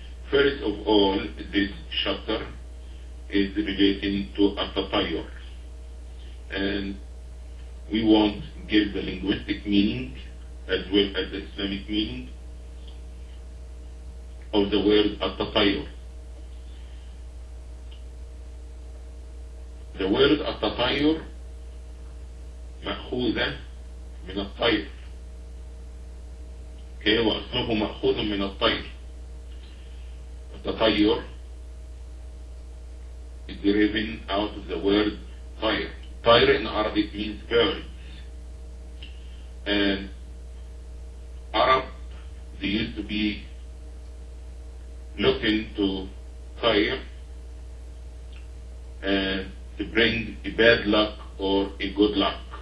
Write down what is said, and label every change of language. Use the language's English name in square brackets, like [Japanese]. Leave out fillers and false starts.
[English] First of all, this chapter is relating to at-tatayur, and we won't give the linguistic meaning as well as the Islamic meaning of the word at-tatayur. The word [Arabic] at-tatayur مأخوذة من الطير. Okay, وأصله مأخوذ من الطير. [English] التطير is driven out of the word طير. طير in Arabic means birds. And Arab, they used to be looking to طير and to bring a bad luck or a good luck.